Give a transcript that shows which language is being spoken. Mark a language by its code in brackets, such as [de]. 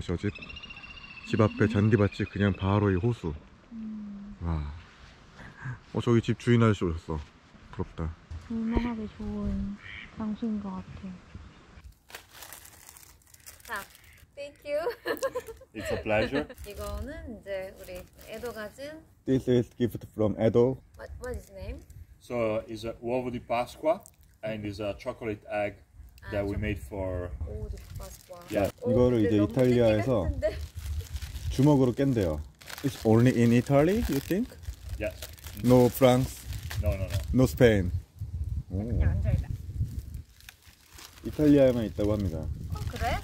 [ko] 저 집 집 앞에 잔디밭이 그냥 바로 이 호수 와 저기 집 주인 아저씨 오셨어 부럽다 유명하게 좋은 장소인 것 같아 자 [en] Thank you It's a pleasure [ko] 이거는 이제 우리 에도 가진 [en] This is gift from Edo What is his name? So it's a uovo di Pasqua and it's a chocolate egg That we made for. Yeah. [ko] 이거를 이제 이탈리아에서 주먹으로 깬대요. [en] It's only in Italy, you think? Yes. No France. No, no, no. No Spain. [ko] 오. 이탈리아에만 있다고 합니다. 어 그래?